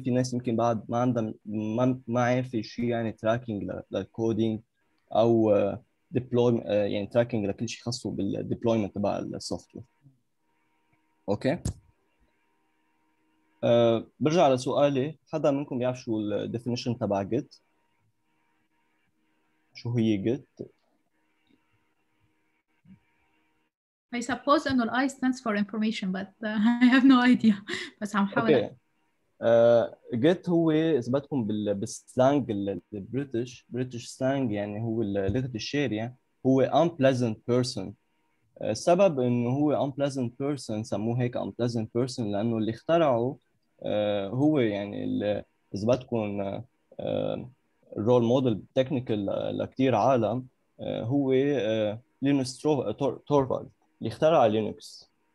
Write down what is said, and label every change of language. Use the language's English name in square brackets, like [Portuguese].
[Arabic] في ناس يمكن بعد ما عندها ما عارفه شو يعني تراكنج للكودينج او ديبلويمنت، يعني تراكنج لكل شيء خاصه بالديبلويمنت تبع السوفت وير. اوكي، برجع على سؤالي، حدا منكم بيعرف شو الديفينيشن تبع جيت؟ شو هي جيت؟ [English] I suppose أن I stands for information but I have no idea. [Arabic] بس عم حاول. جيت هو إذا بدكم بالسلانج البريتش، بريتش سلانج، يعني هو لغة الشارع، هو [English] unpleasant person. [Arabic] السبب إنه هو [English] unpleasant person، [Arabic] سموه هيك unpleasant person لأنه اللي اخترعه هو يعني إذا بدكم role model technical لكتير عالم، هو لينوس تورفالد اللي اخترع لينوكس.